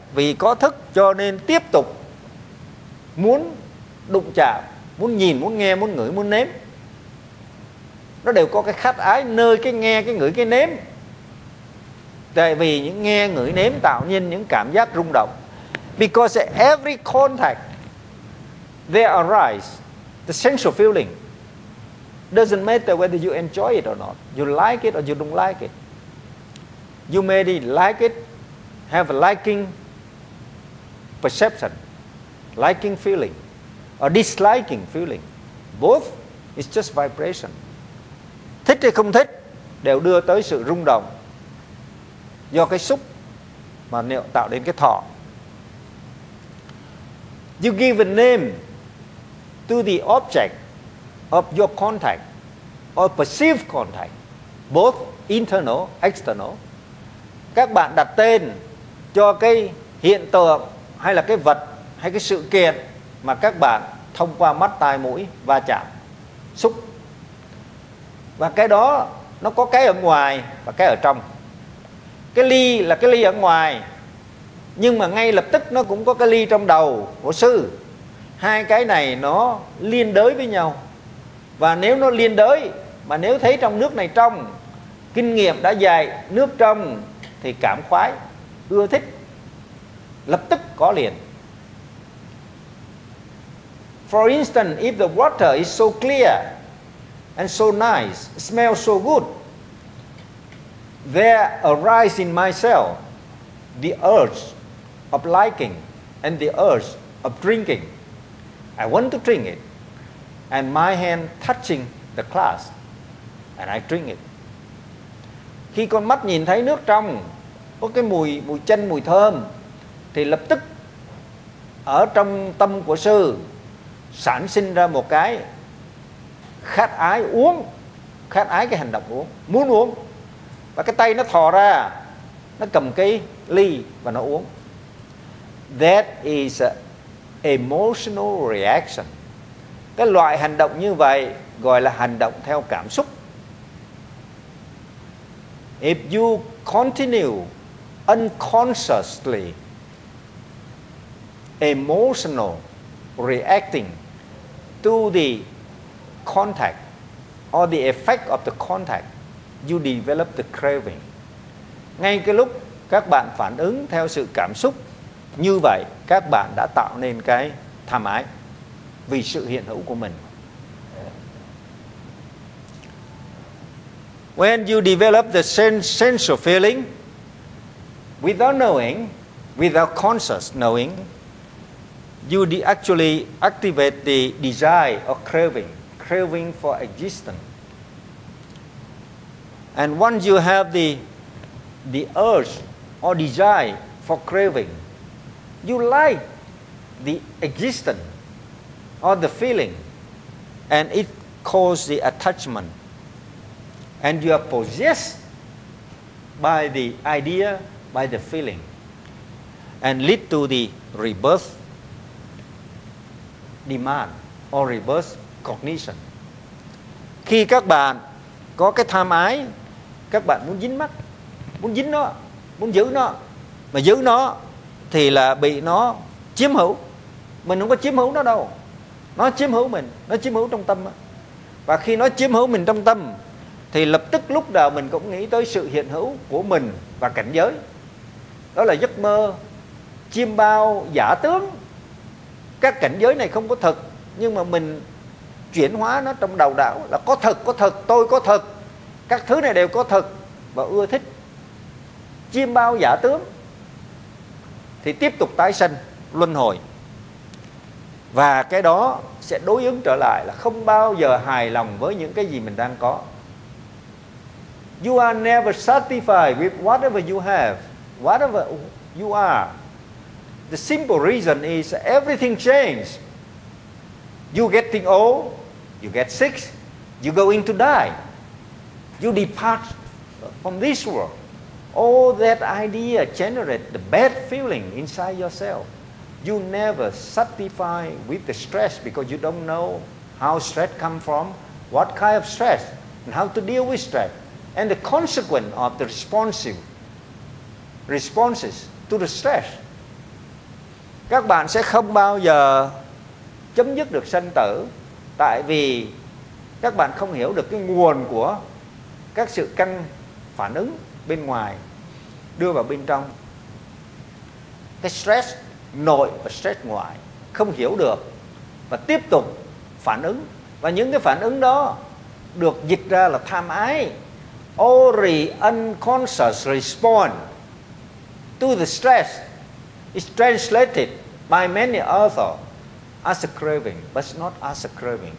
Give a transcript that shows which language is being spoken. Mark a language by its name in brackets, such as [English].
[Vietnamese] Vì có thức cho nên tiếp tục muốn đụng chạm, muốn nhìn, muốn nghe, muốn ngửi, muốn nếm. Nó đều có cái khát ái nơi cái nghe, cái ngửi, cái nếm. Tại vì những nghe, ngửi, nếm tạo nên những cảm giác rung động. [English] Because every contact there arises the sensual feeling. Doesn't matter whether you enjoy it or not, you like it or you don't like it. You may like it, have a liking perception, liking feeling, or disliking feeling. Both is just vibration. [Vietnamese] Thích hay không thích đều đưa tới sự rung động do cái xúc mà tạo đến cái thọ. [English] You give a name to the object of your contact or perceived contact, both internal, external. [Vietnamese] Các bạn đặt tên cho cái hiện tượng hay là cái vật hay cái sự kiện mà các bạn thông qua mắt, tai, mũi va chạm, xúc. Và cái đó nó có cái ở ngoài và cái ở trong. Cái ly là cái ly ở ngoài, nhưng mà ngay lập tức nó cũng có cái ly trong đầu của sư. Hai cái này nó liên đới với nhau. Và nếu nó liên đới mà nếu thấy trong nước này trong, kinh nghiệm đã dạy nước trong thì cảm khoái, ưa thích, lập tức có liền. [English] For instance, if the water is so clear and so nice, smells so good, There arise in myself the urge of liking and the urge of drinking. I want to drink it, and my hand touching the glass, and I drink it. [Vietnamese] Khi con mắt nhìn thấy nước trong, có cái mùi, mùi chanh, mùi thơm, thì lập tức ở trong tâm của sư sản sinh ra một cái khát ái uống, khát ái cái hành động uống, muốn uống. Và cái tay nó thò ra, nó cầm cái ly và nó uống. [English] That is an emotional reaction. [Vietnamese] Cái loại hành động như vậy gọi là hành động theo cảm xúc. [English] If you continue unconsciously emotional reacting to the contact or the effect of the contact, you develop the craving. [Vietnamese] Ngay cái lúc các bạn phản ứng theo sự cảm xúc như vậy, các bạn đã tạo nên cái tham ái vì sự hiện hữu của mình. [English] When you develop the sensual feeling without knowing, without conscious knowing, you actually activate the desire or craving, craving for existence. And once you have the urge or desire for craving, you like the existence or the feeling, and it causes the attachment. And you are possessed by the idea, by the feeling, and lead to the rebirth demand or rebirth cognition. [Vietnamese] Khi các bạn có cái tham ái, các bạn muốn dính mắt, muốn dính nó, muốn giữ nó, mà giữ nó thì là bị nó chiếm hữu. Mình không có chiếm hữu nó đâu, nó chiếm hữu mình, nó chiếm hữu trong tâm. Và khi nó chiếm hữu mình trong tâm thì lập tức lúc nào mình cũng nghĩ tới sự hiện hữu của mình và cảnh giới. Đó là giấc mơ, chiêm bao, giả tướng. Các cảnh giới này không có thật, nhưng mà mình chuyển hóa nó trong đầu đảo là có thật, tôi có thật. Các thứ này đều có thật và ưa thích. Chiêm bao giả tướng thì tiếp tục tái sanh, luân hồi. Và cái đó sẽ đối ứng trở lại là không bao giờ hài lòng với những cái gì mình đang có. [English] You are never satisfied with whatever you have, whatever you are. The simple reason is everything changes. You getting old, you get sick, you going to die, you depart from this world. All that idea generate the bad feeling inside yourself. You never satisfy with the stress because you don't know how stress come from, what kind of stress, and how to deal with stress. And the consequence of the responses to the stress. [Vietnamese] Các bạn sẽ không bao giờ chấm dứt được sanh tử tại vì các bạn không hiểu được cái nguồn của các sự căng phản ứng bên ngoài đưa vào bên trong. Cái stress nội và stress ngoại không hiểu được và tiếp tục phản ứng. Và những cái phản ứng đó được dịch ra là tham ái. [English] Only unconscious response to the stress is translated by many authors as a craving, but not as a craving.